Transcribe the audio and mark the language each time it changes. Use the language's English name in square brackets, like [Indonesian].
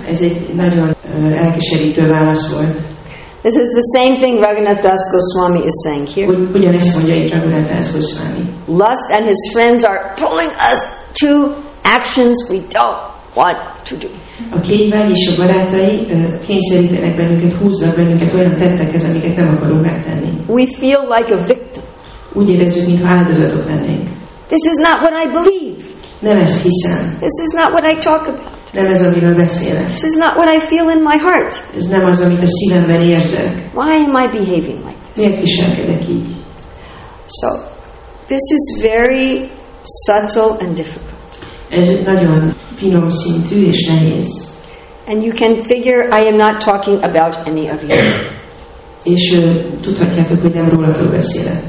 [Hungarian] Ez egy nagyon elkeserítő válasz volt. [English] This is the same thing Raghunath Das Goswami is saying here. [Hungarian] Ugyanezt mondja itt Raghunath Das Goswami. [English] Lust and his friends are pulling us to actions we don't want to do. [Hungarian] A kényvágy és a barátai kényszerítenek bennünket, húznak bennünket olyan tettekhez, amiket nem akarunk megtenni. [English] We feel like a victim. [Hungarian] Úgy érezzük, mintha áldozatok lennénk. [English] This is not what I believe. [Hungarian] Nem ezt hiszem. [English] This is not what I talk about. [Hungarian] Nem ez, amiről beszélek. [English] This is not what I feel in my heart. [Hungarian] Ez nem az, amit a szívemben érzek. [English] Why am I behaving like this? [Hungarian] Miért viselkedek így? [English] So, this is very subtle and difficult. [Hungarian] Ez nagyon finom szintű és nehéz. [English] And you can figure I am not talking about any of you. [Hungarian] És tudhatjátok, hogy nem rólatok beszélek.